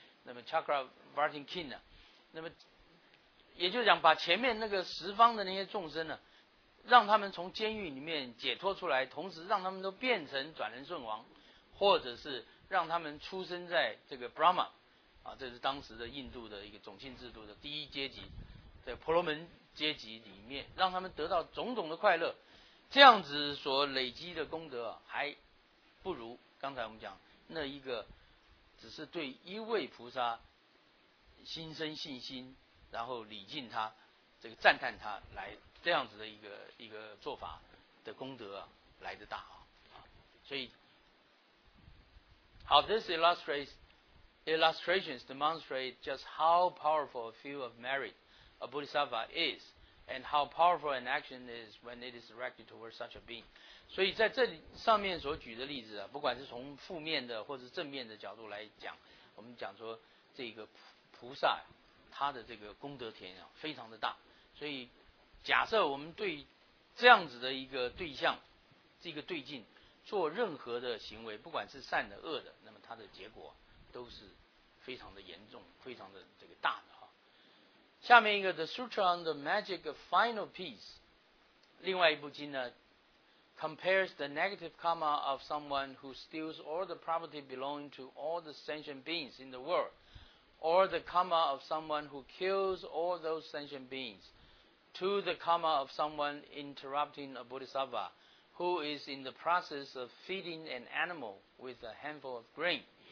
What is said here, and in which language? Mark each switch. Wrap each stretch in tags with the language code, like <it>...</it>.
<zh>那么 Chakravarti King 呢、啊，那么也就是讲把前面那个十方的那些众生呢、啊，让他们从监狱里面解脱出来，同时让他们都变成转轮圣王，或者是让他们出生在这个 Brahma 啊，这是当时的印度的一个种姓制度的第一阶级，在婆罗门阶级里面，让他们得到种种的快乐，这样子所累积的功德、啊、还不如刚才我们讲那一个只是对一位菩萨心生信心，然后礼敬他，这个赞叹他，来这样子的一个做法的功德、啊、来得大啊。所以好</zh> <en>，this illustrations demonstrate just how powerful a field of merit a bodhisattva is, and how powerful an action is when it is directed towards such a being。</en> <zh>所以在这里上面所举的例子啊，不管是从负面的或者正面的角度来讲，我们讲说这个菩萨他的这个功德田啊非常的大。所以假设我们对这样子的一个对象，这个对境做任何的行为，不管是善的恶的，那么它的结果都是非常的严重，非常的这个大的哈。下面一个</zh> <en>The Sutra on the Magic of Final Peace，</en> <zh>另外一部经呢</zh> <en>compares the negative karma of someone who steals all the property belonging to all the sentient beings in the world or the karma of someone who kills all those sentient beingsto the karma of someone interrupting a bodhisattva who is in the process of feeding an animal with a handful of grain。</en>